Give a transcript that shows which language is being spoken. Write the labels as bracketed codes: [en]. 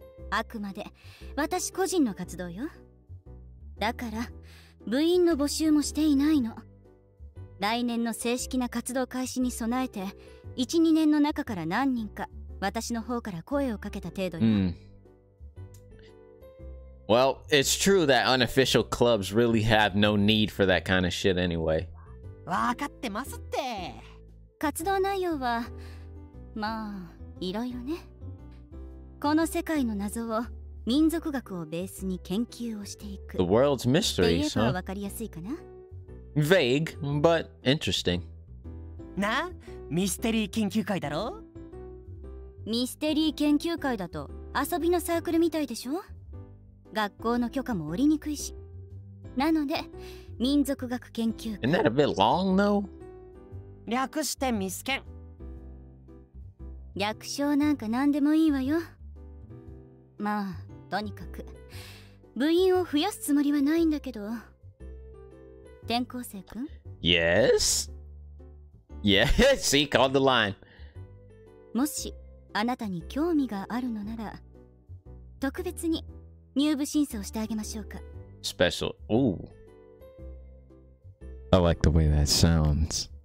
[ja] あくまで私個人の活動よ。だから部員の募集もしていないの。来年の正式な活動開始に備えて、1、2年の中から何人か、私の方から声をかけた程度に。 [en] Well, it's true that unofficial clubs really have no need for that kind of shit anyway. [ja] わかってますって。活動内容は、まあ、いろいろね。この世界の謎を、民族学をベースに研究をしていく。 [en] The world's mysteries, huh? [ja] わかりやすいかな。 [en] Vague, but interesting. [ja] な、ミステリー研究会だろ? ミステリー研究会だと遊びのサークルみたいでしょ? 学校の許可も下りにくいし。なので、民族学研究会。 [en] Isn't that a bit long, though? [ja] 略してミスケン。略称なんか何でもいいわよ。まあ、とにかく、部員を増やすつもりはないんだけど。転校生くん? [en] Yes? Yes, see, called the line. [ja] もし、あなたに興味があるのなら、特別に入部申請をしてあげましょうか。 [en] Special, ooh. I like the way that sounds.